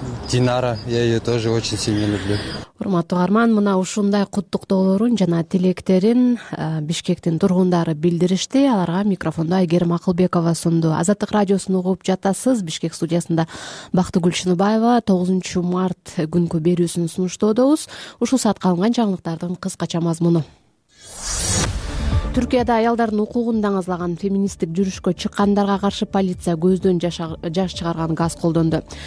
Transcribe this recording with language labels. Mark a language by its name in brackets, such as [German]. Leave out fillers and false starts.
[Russian] Динара, я ее тоже очень сильно люблю. [Kyrgyz] Урматтуу агарман, мына ушундай куттуктоолорун жана тилектерин Бишкектин тургундары билдиришти. Аларга микрофондо Айгерим Акылбекова сунду. Азаттык радиосун угуп жатасыз. Бишкек студиясында Бактыгүл Чыныбаева 9 март күнкү берүүсүн сунуштоодобуз. Ушул саатка алынган жаңылыктардын кыскача мазмуну. Түркияда аялдардын укугун даңазалаган феминисттик жүрүшкө чыккандарга каршы полиция көздөн жаш чыгарган газ колдонду.